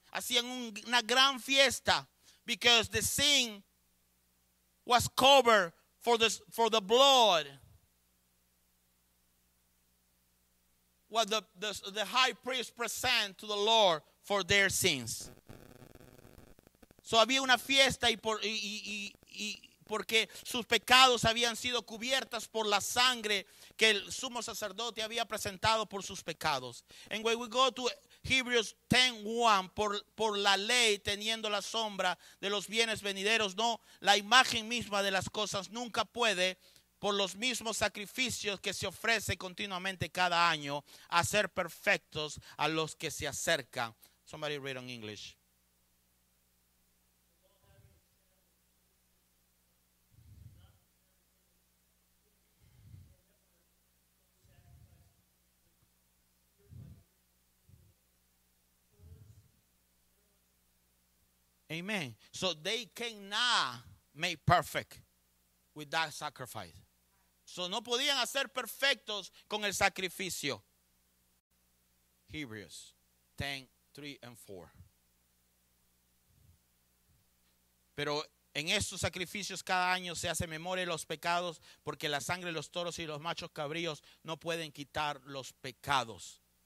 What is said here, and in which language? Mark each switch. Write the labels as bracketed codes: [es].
[es] Hacían una gran fiesta [en] because the sin was covered for the blood. What the high priest present to the Lord for their sins. [es] So había una fiesta y porque sus pecados habían sido cubiertas por la sangre que el sumo sacerdote había presentado por sus pecados. [en] And when we go to Hebrews 10:1, [es] por la ley teniendo la sombra de los bienes venideros, no, la imagen misma de las cosas nunca puede, por los mismos sacrificios que se ofrece continuamente cada año, hacer perfectos a los que se acercan. [en] Somebody read in English. Amen. So they cannot make perfect with that sacrifice. [es] So no podían hacer perfectos con el sacrificio. [en] Hebrews 10:3-4. [es] Pero en estos sacrificios cada año se hace memoria de los pecados, porque la sangre de los toros y los machos cabríos no pueden quitar los pecados.